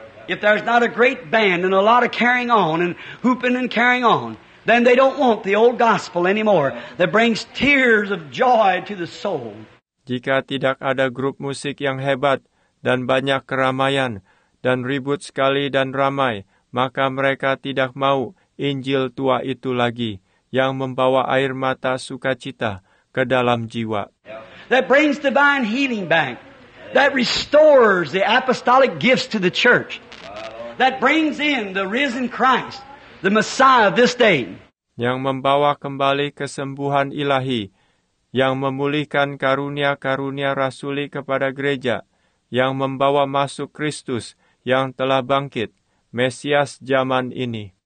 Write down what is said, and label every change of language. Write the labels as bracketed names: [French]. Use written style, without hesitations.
[English] If there's not a great band and a lot of carrying on and hooping and carrying on, then they don't want the old gospel anymore that brings tears of joy to the soul. [Indonesian] Jika tidak ada grup musik yang hebat dan banyak keramaian dan ribut sekali dan ramai, maka mereka tidak mau Injil tua itu lagi yang membawa air mata sukacita ke dalam jiwa. [English] That brings divine healing back. That restores the apostolic gifts to the church. That brings in the risen Christ, the Messiah of this day. [Indonesian] Yang membawa kembali kesembuhan ilahi, yang memulihkan karunia-karunia rasuli kepada gereja, yang membawa masuk Kristus yang telah bangkit, Mesias zaman ini.